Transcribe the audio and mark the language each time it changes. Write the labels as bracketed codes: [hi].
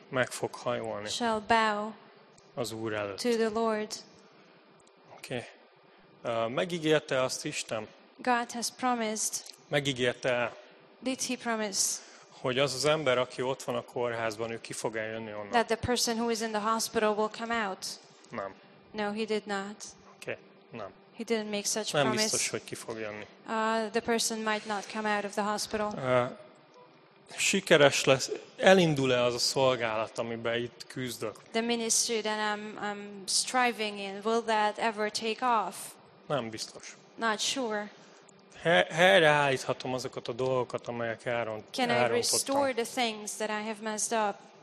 [hu] Meg fog hajolni. [en] Shall bow [hu] az Úr előtt. [en] To the Lord. [hu] Okay. Megígérte azt Isten. [en] God has promised. [hu] Megígérte. [en] Did he promise? [hu] hogy az az ember, aki ott van a kórházban, ő ki fog eljönni onnan. [en] That the person who is in the hospital will come out. [hu] Nem. [en] No, he did not. [hu] Okay. Nem. [en] He didn't make such [hu] nem [en] promise. [hu] Biztos, hogy ki fog jönni. [en] The person might not come out of the hospital. [hu] Sikeres lesz, elindul-e az a szolgálat, amiben itt küzdök? [en] The ministry that I'm striving in, will that ever take off? [hu] Nem biztos. [en] Not sure. [hu] Helyreállíthatom azokat a dolgokat, amelyek elrontottam. [en] Can I restore the things that I have messed up?